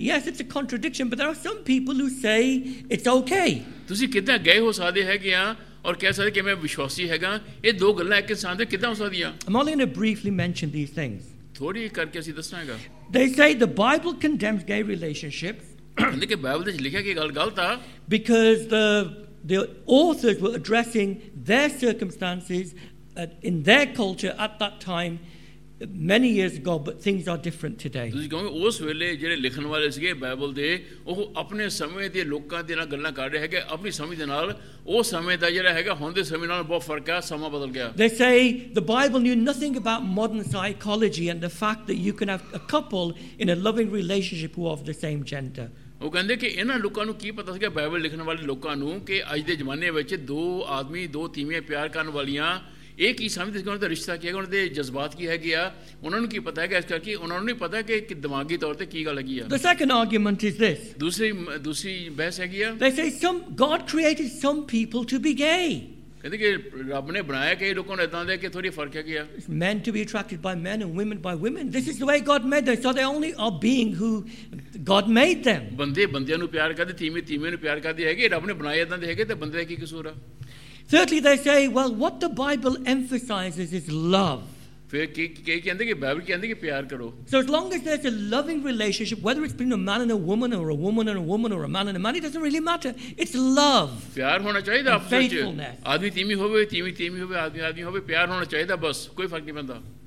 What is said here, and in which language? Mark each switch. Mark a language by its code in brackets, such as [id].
[en] Yes, it's a contradiction, but there are some people who say it's okay. [pa] ਤੁਸੀਂ ਕਿੱਦਾਂ ਗਏ ਹੋ ਸਕਦੇ ਹੈਗੇ ਆ ਔਰ ਕਹਿ ਸਕਦੇ ਕਿ ਮੈਂ ਵਿਸ਼ਵਾਸੀ ਹੈਗਾ ਇਹ ਦੋ ਗੱਲਾਂ ਇੱਕ ਇਨਸਾਨ ਦੇ ਕਿੱਦਾਂ ਹੋ ਸਕਦੀਆਂ [en] I'm only going to briefly mention these things. [pa] ਥੋੜੀ ਕਰਕੇ ਅਸੀਂ ਦੱਸਾਂਗਾ [en] They say the Bible condemns gay relationships. [pa] ਕਿ ਬਾਈਬਲ ਵਿੱਚ ਲਿਖਿਆ ਕਿ ਗੱਲ ਗਲਤ ਆ [en] Because the authors were addressing their circumstances in their culture at that time many years ago but things are different today [pa] ਤੁਸੀਂ ਕਹੋਗੇ ਉਸ ਵੇਲੇ ਜਿਹੜੇ ਲਿਖਣ ਵਾਲੇ ਸੀਗੇ ਬਾਈਬਲ ਦੇ ਉਹ ਆਪਣੇ ਸਮੇਂ ਦੇ ਲੋਕਾਂ ਦੇ ਨਾਲ ਗੱਲਾਂ ਕਰ ਰਹੇ ਹੈਗੇ ਆਪਣੀ ਸਮਝ ਦੇ ਨਾਲ ਉਸ ਸਮੇਂ ਦਾ ਜਿਹੜਾ ਹੈਗਾ ਹੁਣ ਦੇ ਸਮੇਂ ਨਾਲ ਬਹੁਤ ਫਰਕ ਆ ਸਮਾਂ ਬਦਲ ਗਿਆ [en] they say the bible knew nothing about modern psychology and the fact that you can have a couple in a loving relationship who are of the same gender [pa] ਉਹ ਕਹਿੰਦੇ ਕਿ ਇਹਨਾਂ ਲੋਕਾਂ ਨੂੰ ਕੀ ਪਤਾ ਸੀਗਾ ਬਾਈਬਲ ਲਿਖਣ ਵਾਲੇ ਲੋਕਾਂ ਨੂੰ ਕਿ ਅੱਜ ਦੇ ਜ਼ਮਾਨੇ ਵਿੱਚ ਦੋ ਆਦਮੀ ਦੋ ਤੀਵੀਆਂ ਪਿਆਰ ਕਰਨ ਵਾਲੀਆਂ ਇਹ ਕੀ ਸਮਝਦੇ ਸੀ ਉਹਨਾਂ ਦਾ ਰਿਸ਼ਤਾ ਕੀ ਹੈਗਾ ਉਹਨਾਂ ਦੇ ਜਜ਼ਬਾਤ ਕੀ ਹੈਗੇ ਆ ਉਹਨਾਂ ਨੂੰ ਕੀ ਪਤਾ ਹੈਗਾ ਇਸ ਕਰਕੇ ਉਹਨਾਂ ਨੂੰ ਨਹੀਂ ਪਤਾ ਕਿ ਦਿਮਾਗੀ ਤੌਰ 'ਤੇ ਕੀ ਗੱਲ ਹੈਗੀ ਆ [en] The second argument is this. [pa] ਦੂਸਰੀ ਬਹਿਸ ਹੈਗੀ ਆ [en] They say God created some people to be gay. [pa] ਕਹਿੰਦੇ ਕਿ ਰੱਬ ਨੇ ਬਣਾਇਆ ਕਿ ਲੋਕਾਂ ਨੂੰ ਇੱਦਾਂ ਦੇ ਕਿ ਥੋੜ੍ਹੀ ਫਰਕ ਹੈਗੀ ਆ [en] Men to be attracted by men and women by women. This is the way God made them. So they only are being who God made them. [pa] ਬੰਦੇ ਬੰਦਿਆਂ ਨੂੰ ਪਿਆਰ ਕਰਦੇ ਤੀਵੀਂ ਤੀਵੀਂ ਨੂੰ ਪਿਆਰ ਕਰਦੇ ਹੈਗੇ ਰੱਬ ਨੇ ਬਣਾਏ ਇੱਦਾਂ ਦੇ ਹੈਗੇ ਤਾਂ ਬੰਦੇ ਦਾ ਕੀ ਕਸੂਰ ਆ [en] Thirdly, they say, well, what the Bible emphasizes is love. So as long as there's a loving relationship, whether it's between a man and a woman, or a woman and a woman, or a man and a man, it doesn't really matter. It's love and faithfulness.